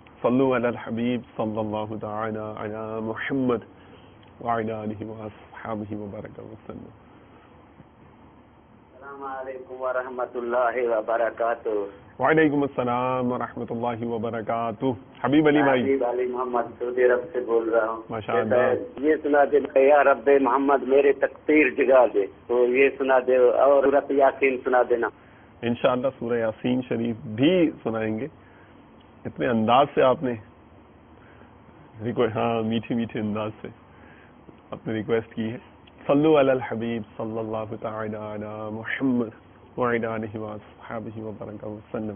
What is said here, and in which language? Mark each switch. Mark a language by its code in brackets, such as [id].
[ar] صلوا علی الحبیب صلی اللہ تعالی علی محمد وعلی آلہ وصحابہ وبارک وسلم. [ur] السلام علیکم و رحمۃ اللہ وبرکاتہ. وعلیکم السلام و رحمۃ اللہ وبرکاتہ. حبیب علی بھائی، حبیب علی محمد سعودی عرب سے بول رہا ہوں. ماشاء اللہ. یہ سنا دے یا رب محمد میرے تقدیر جگا دے، تو یہ سنا دے اور سورۃ یاسین سنا دینا. انشاءاللہ سورہ یاسین شریف بھی سنائیں گے. اتنے انداز سے آپ نے ریکویسٹ، ہاں میٹھے میٹھے انداز سے آپ نے ریکویسٹ کی ہے. [ar] صلوا علی الحبیب صلی اللہ تعالی علی محمد وعلی آلہ وصحابہ وبارک وسلم.